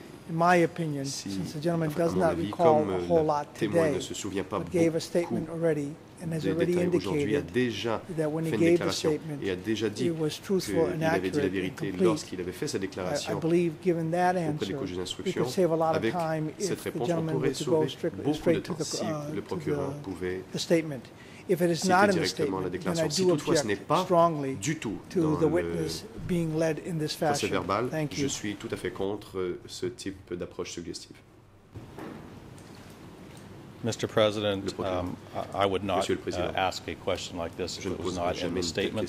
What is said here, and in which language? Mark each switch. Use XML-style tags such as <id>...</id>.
<en>In my opinion, since the gentleman does not recall a whole lot today, but gave a statement already and has already indicated that when he gave the statement, he was truthful and accurate and complete. I believe, given that answer, we could save a lot of time if the gentleman were to go straight to the statement. If it is not in the statement, then I do object strongly to the witness being led in this fashion. Verbal, thank you.</en> <fr>Je suis tout à fait contre ce type d'approche suggestive.</fr> <en>Mr. President, I would not ask a question like this if it was not in the statement.</en>